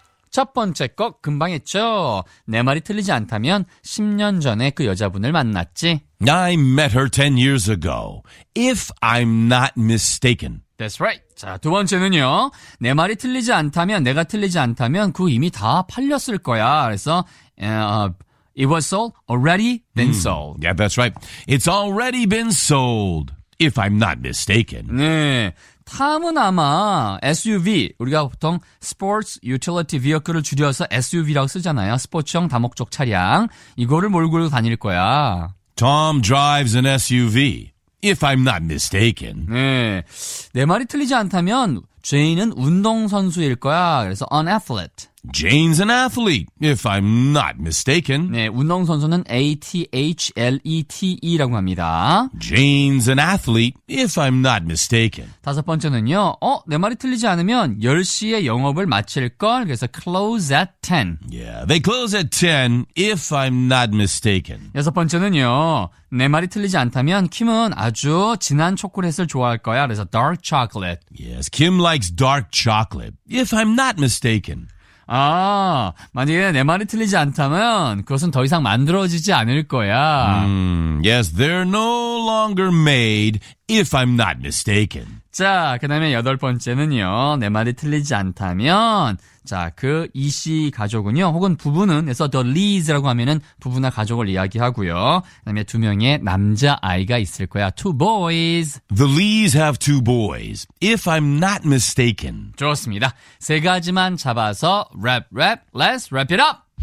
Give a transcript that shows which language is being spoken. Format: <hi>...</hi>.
<ko>첫 번째 거 금방 했죠. 내 말이 틀리지 않다면 10년 전에 그 여자분을 만났지.</ko> <en>I met her 10 years ago. If I'm not mistaken. That's right.</en> <ko>자, 두 번째는요. 내 말이 틀리지 않다면, 내가 틀리지 않다면 그 이미 다 팔렸을 거야. 그래서</ko> <en>it was sold, already been sold. Yeah, that's right. It's already been sold, if I'm not mistaken.</en> <ko>네, 탐은 아마 SUV, 우리가 보통 스포츠 유틸리티 비어클을 줄여서 SUV라고 쓰잖아요. 스포츠형 다목적 차량. 이거를 몰고 다닐 거야.</ko> <en>Tom drives an SUV, if I'm not mistaken.</en> <ko>네, 내 말이 틀리지 않다면 제인은 운동선수일 거야. 그래서</ko> <en>an athlete. Jane's an athlete, if I'm not mistaken.</en> <ko>네, 운동선수는 athlete라고 합니다.</ko> <en>Jane's an athlete, if I'm not mistaken.</en> <ko>다섯 번째는요. 내 말이 틀리지 않으면 10시에 영업을 마칠 걸. 그래서</ko> <en>close at 10. Yeah, they close at 10, if I'm not mistaken.</en> <ko>여섯 번째는요. 내 말이 틀리지 않다면 킴은 아주 진한 초콜릿을 좋아할 거야. 그래서</ko> <en>dark chocolate. Yes, Kim likes dark chocolate, if I'm not mistaken.</en> <ko>아, 만약에 내 말이 틀리지 않다면 그것은 더 이상 만들어지지 않을 거야.</ko> <en>Yes, they're no longer made, if I'm not mistaken.</en> <ko>자, 그 다음에 여덟 번째는요. 내 말이 틀리지 않다면 자, 그 이 씨 가족은요. 혹은 부부는 해서 the Lees라고 하면은 부부나 가족을 이야기하고요. 그 다음에 두 명의 남자아이가 있을 거야.</ko> <en>Two boys. The Lees have two boys, if I'm not mistaken.</en> <ko>좋습니다. 세 가지만 잡아서 랩, 랩,</ko> <en>let's wrap it up.</en>